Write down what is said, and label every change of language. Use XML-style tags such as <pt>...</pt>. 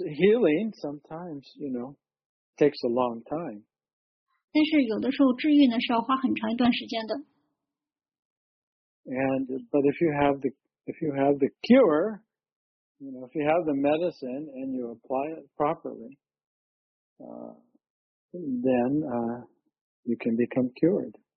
<en>healing sometimes, you know, takes a long time.</en> <zh>但是有的时候治愈呢是要花很长一段时间的。And</zh> <en>but if you have the cure, you know, if you have the medicine and you apply it properly, then you can become cured.</en>